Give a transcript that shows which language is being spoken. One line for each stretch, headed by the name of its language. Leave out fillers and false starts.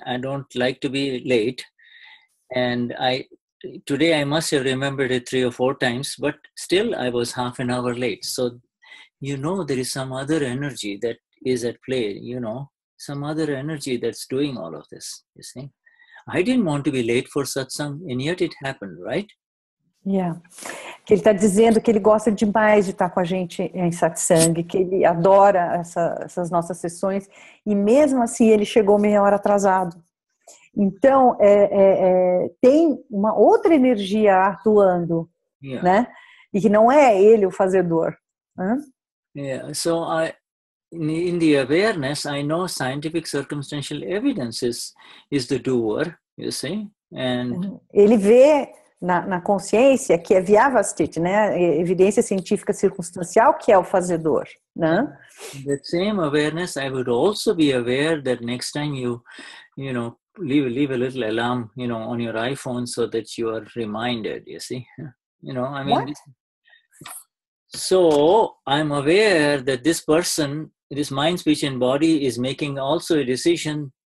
English: I don't like to be late. And today I must have remembered it 3 or 4 times, but still I was half an hour late. So, you know, there is some other energy that is at play, you know, some other energy that's doing all of this, you see. I didn't want to be late for satsang, and yet it happened, right? Yeah.
Portuguese: Que ele está dizendo que ele gosta demais de estar com a gente em satsang, que ele adora essas nossas sessões, e mesmo assim ele chegou meia hora atrasado. Então, tem uma outra energia atuando,
English: yeah,
Portuguese: né? E que não é ele o fazedor.
English: Yeah, so in the awareness, I know scientific circumstantial evidence is the doer, you see? And
Portuguese: ele vê na consciência que é viavastit, né? Evidência científica circunstancial que é o fazedor, né?
English: The same awareness, I would also be aware that next time you know, leave a little alarm, you know, on your iPhone so that you are reminded, you see. You know, I mean, what? So I'm aware that this person, this mind, speech and body is making also a decision